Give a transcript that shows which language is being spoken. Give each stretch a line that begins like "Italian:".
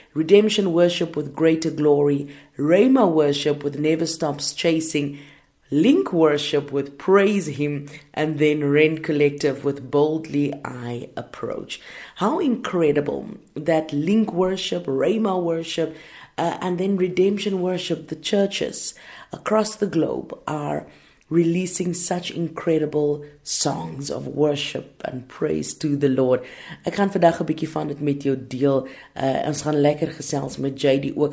English: Redemption Worship with Greater Glory, Rhema Worship with Never Stops Chasing, Link Worship with Praise Him, and then Rent Collective with Boldly I Approach. How incredible that Link Worship, Rhema Worship, and then Redemption Worship, the churches across the globe are releasing such incredible songs of worship and praise to the Lord.
Afrikaans: Ek gaan vandag 'n bietjie van dit met jou deel. Ons gaan lekker gesels met JD ook.